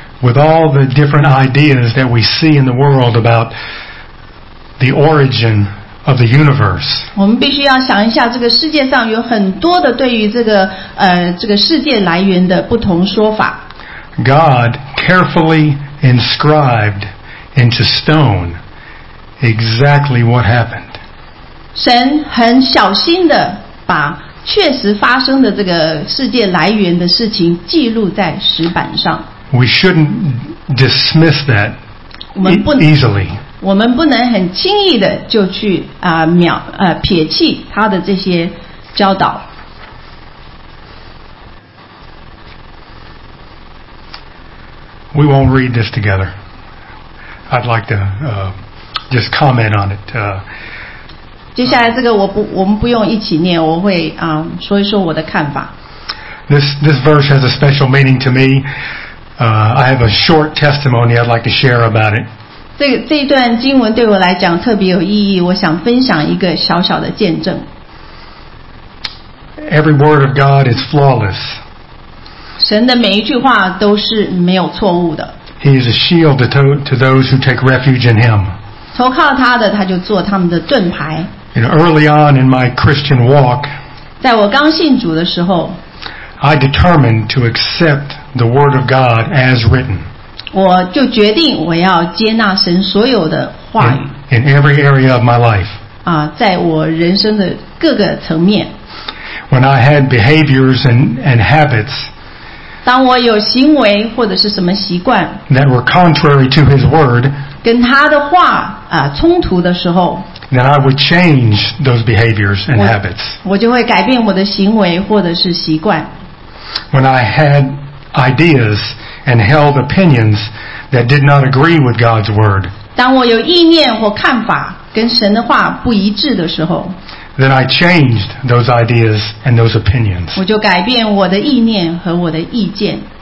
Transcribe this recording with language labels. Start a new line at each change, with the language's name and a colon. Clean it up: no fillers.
English: With all the different ideas that we see in the world about the origin of the universe.
Chinese: 我们必须要想一下，这个世界上有很多的对于这个世界来源的不同说法。
English: God carefully inscribed into stone exactly what happened.
Chinese: 神很小心的把确实发生的这个世界来源的事情记录在石板上。
English: We shouldn't dismiss that easily.
Chinese: 我们不能很轻易的就去撇弃他的这些教导。
English: We won't read this together. I'd like to just comment on it.
Chinese: 接下来这个我们不用一起念，我会说一说我的看法。
English: This verse has a special meaning to me. I have a short testimony I'd like to share about it.
Chinese: 这一段经文对我来讲特别有意义，我想分享一个小小的见证。
English: Every word of God is flawless.
Chinese: 神的每一句话都是没有错误的。
English: He is a shield to those who take refuge in Him.
Chinese: 投靠他的，他就做他们的盾牌。
English: You know, early on in my Christian walk,
Chinese: 在我刚信主的时候
English: I determined to accept the Word of God as written.
Chinese: 我就决定我要接纳神所有的话语
English: in every area of my life.
Chinese: 在我人生的各个层面
English: When I had behaviors and habits,
Chinese: 当我有行为或者是什么习惯
English: that were contrary to His Word,
Chinese: 跟他的话冲突的时候
English: Then I would change those behaviors and habits.
Chinese: 我就会改变我的行为或者是习惯。
English: When I had ideas and held opinions that did not agree with God's word,
Chinese: 当我有意念或看法跟神的话不一致的时候
English: then I changed those ideas and those opinions.
Chinese: 我就改变我的意念和我的意见。